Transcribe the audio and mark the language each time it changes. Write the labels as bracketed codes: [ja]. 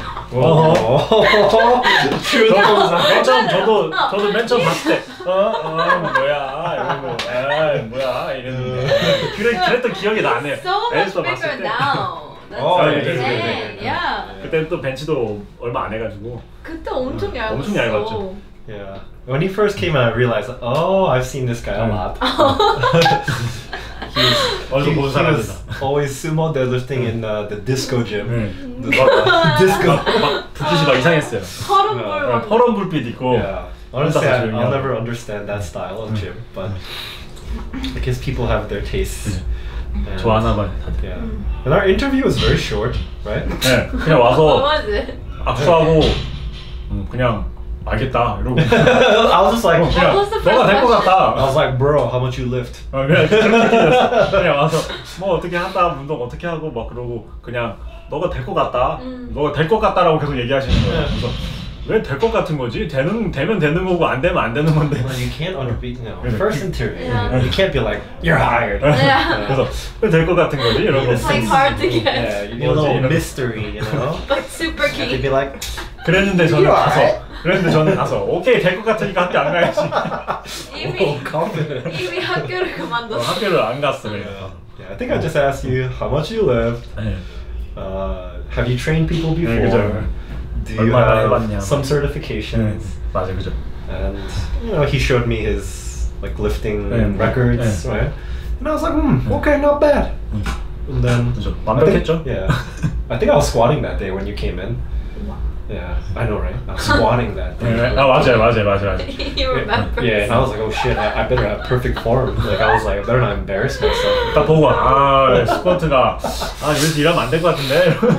[ko] 저도 맨 처음 봤을 때 뭐야? 이러고 뭐야? 이랬는데 그랬던 기억이 나네요 [en] So much bigger now! That's insane! Yeah! [ko] 그때는 또 벤치도 얼마 안 해가지고 그때 엄청 얇았어 엄청 얇았죠 [en] Yeah When he first came I realized Oh, I've seen this guy a lot He's always sumo deadlifting in the disco gym [ko] Disco 붓빛이 막 이상했어요 파란 불빛 있고 [en] Honestly, I'll never understand that style of gym But I guess people have their tastes [ko] 좋아하나 봐요 다들 [en] And our interview was very short, right? [ko] 네, 그냥 와서 악수하고 그냥 알겠다 이러고 [en] I was just like [ko] 그냥 너가 될 것 같다 [en] I was like, bro, how much you lift? [ko] 그냥 와서 뭐 어떻게 한다, 운동 어떻게 하고 막 그러고 그냥 너가 될 것 같다 너가 될 것 같다라고 계속 얘기하시는 거예요 그래서 왜 될 것 같은 거지? 되면 되는 거고 안 되면 안 되는 건데 [en] You can't underbeat now First interview You can't be like, you're hired [ko] 그래서 왜 될 것 같은 거지? [en] It's like hard to get A little mystery, you know? But super key They'd be like [ko] 그랬는데 저는 가서 그랬는데 저는 가서 오케이 될 것 같으니까 학교 안 가야지 이미 학교를 그만뒀어 학교를 안 갔어 [en] I think I just asked you how much you lived Have you trained people before? Do you have some certifications? [ko] 맞아요, 그죠. [en] And you know, he showed me his like lifting records, right? And I was like, okay, not bad. And then, [ko] 완벽했죠. [en] Yeah, I think I was squatting that day when you came in. Yeah, I know, right? I'm squatting that. Yeah, right. Oh, [ko] 맞아요, 맞아요, 맞아요. [en] You remember? Yeah, and I was like, oh shit, I better have perfect form. Like, I was like, I better not embarrass myself. [ko] 딱 보고, 아, 스쿼트가, 아, 이렇게 일하면 안 될 것 같은데?